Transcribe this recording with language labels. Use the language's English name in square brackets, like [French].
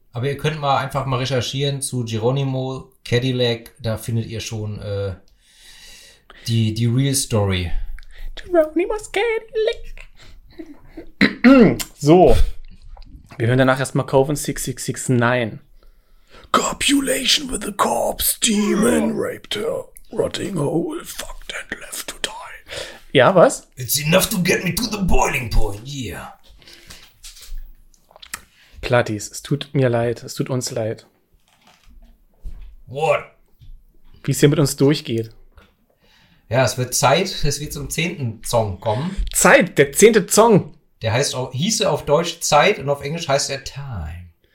[German] Aber ihr könnt mal einfach mal recherchieren zu Geronimo Cadillac. Da findet ihr schon die Real Story. Geronimo's Cadillac. So, wir hören danach erstmal Coven 6669. [English] Copulation with the corpse, demon raped her, rotting hole, fucked and left to die. [German] Ja, was? [English] It's enough to get me to the boiling point, yeah. [German] Plattis, es tut mir leid, es tut uns leid. [English] What? [German] Wie es hier mit uns durchgeht. Ja, es wird Zeit, dass wir zum 10. Song kommen. Zeit, der 10. Song. Der hieße auf Deutsch Zeit und auf Englisch heißt er Time.